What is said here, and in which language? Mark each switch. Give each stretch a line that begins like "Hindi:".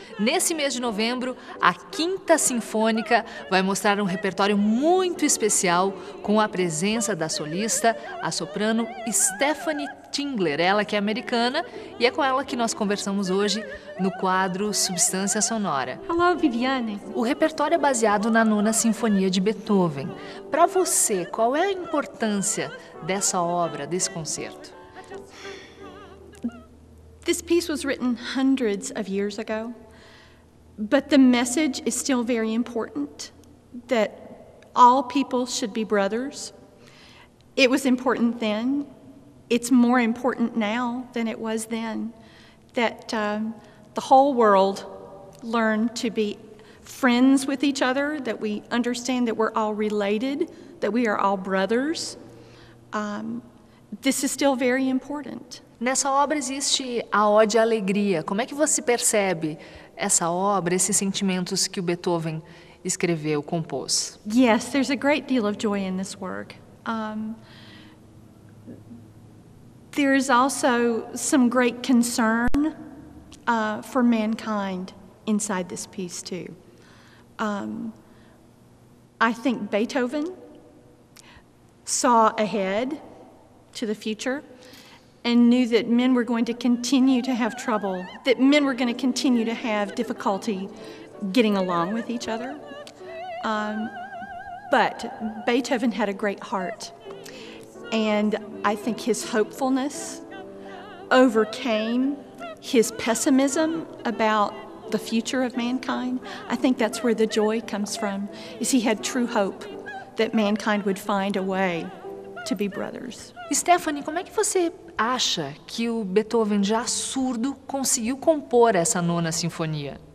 Portuguese: Nesse mês de novembro, a Quinta Sinfônica vai mostrar um repertório muito especial com a presença da solista, a soprano Stephanie Tingler, ela que é americana, e é com ela que nós conversamos hoje no quadro Substância Sonora. Olá, Viviane. O repertório é baseado na Nona Sinfonia de Beethoven. Para você, qual é a importância dessa obra, desse concerto?
English: This piece was written hundreds of years ago, but the message is still very important, that all people should be brothers. It was important then, it's more important now than it was then, that the whole world learn to be friends with each other, that we understand that we're all related, that we are all brothers. This is still very important.
Portuguese: Nessa obra existe a ode à alegria. Como é que você percebe essa obra, esses sentimentos que o Beethoven escreveu, compôs?
English: Yes, there's a great deal of joy in this work. There is also some great concern for mankind inside this piece too. I think Beethoven saw ahead to the future and knew that men were going to continue to have trouble, that men were going to continue to have difficulty getting along with each other. But Beethoven had a great heart, and I think his hopefulness overcame his pessimism about the future of mankind. I think that's where the joy comes from, is he had true hope that mankind would find a way to be brothers.
Portuguese: Stephanie, como é que você acha que o Beethoven, já surdo, conseguiu compor essa Nona Sinfonia?